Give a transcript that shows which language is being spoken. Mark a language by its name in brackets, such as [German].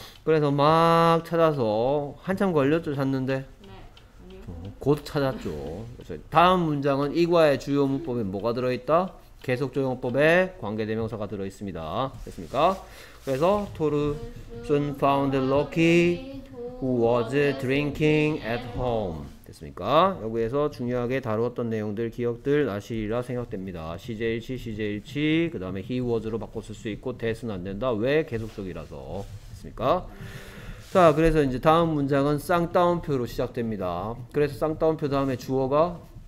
[Korean] 그래서 막 찾아서 한참 걸렸죠. 찾는데 곧 찾았죠. 그래서 다음 문장은 이과의 주요 문법에 뭐가 들어있다? 계속조용법에 관계대명사가 들어있습니다. 됐습니까? 그래서 토르 [English] soon found Loki who was drinking at home. [Korean] 됐습니까? 여기에서 중요하게 다루었던 내용들, 기억들 나시리라 생각됩니다. 시제일치, 시제일치, 그 다음에 he was로 바꿔 쓸 수 있고 that은 안 된다. 왜? 계속적이라서. 됐습니까? 자, 그래서 이제 다음 문장은 쌍따옴표로 시작됩니다. 그래서 쌍따옴표 다음에 주어가?